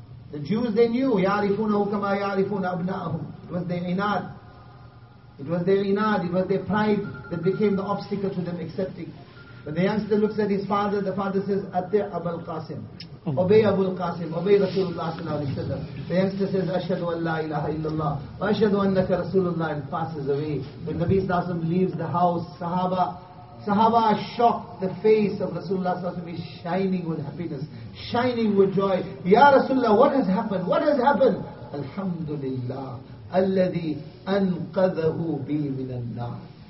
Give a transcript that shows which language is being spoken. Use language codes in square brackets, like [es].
[en] The Jews, they knew, [ar] يَعْرِفُونَهُ كَمَا يَعْرِفُونَ أَبْنَاءَهُمْ. [en] It was their inad, it was their pride that became the obstacle to them accepting. When the youngster looks at his father, the father says, [ar] أَتِّعْ أَبَا الْقَاسِمِ. [en] Obey Abul Qasim, obey Rasulullah sallallahu alaihi wasallam. The youngster says, [ar] أَشْهَدُ أَنْ لَا إِلَهَ إِلَّا اللَّهِ وَأَشْهَدُ أَنَّكَ رَسُولُ اللَّهِ [en] and passes away. When the Nabi sallallahu alaihi wasallam leaves the house, Sahaba are shocked. The face of Rasulullah sallallahu alaihi wasallam is shining with happiness, shining with joy. [ar] Ya Rasulullah, [en] what has happened? [ar] Alhamdulillah, alladhi anqadhahu bi min an-nar.